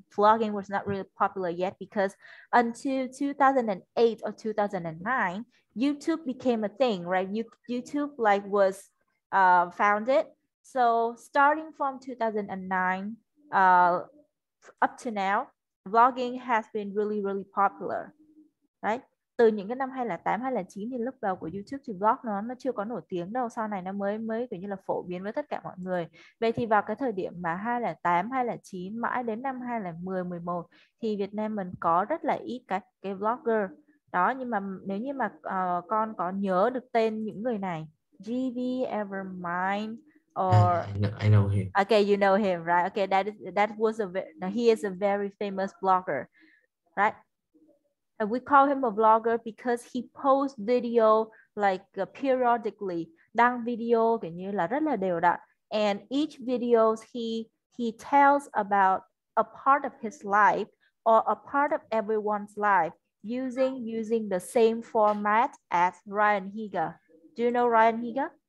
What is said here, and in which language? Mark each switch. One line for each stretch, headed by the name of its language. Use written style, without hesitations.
English: Vlogging was not really popular yet because until 2008 or 2009, YouTube became a thing, right? YouTube was founded. So starting from 2009 up to now, vlogging has been really, really popular, right?
Vietnamese: Từ những cái năm 2008, 2009 thì lúc đầu của YouTube thì vlog nó chưa có nổi tiếng đâu. Sau này nó mới kiểu như là phổ biến với tất cả mọi người. Vậy thì vào cái thời điểm mà 2008, 2009, mãi đến năm 2010, 2011 thì Việt Nam mình có rất là ít cái vlogger. Đó, nhưng mà nếu như mà con có nhớ được tên những người này, GV, Evermind, or
English: I know him. okay, you know him, right? Okay, that was a now he is a very famous blogger, right? And we call him a blogger because he posts video like periodically,
Vietnamese: đăng video kiểu như là rất là đều đặn.
English: And each videos he tells about a part of his life or a part of everyone's life using the same format as Ryan Higa. Do you know Ryan Higa?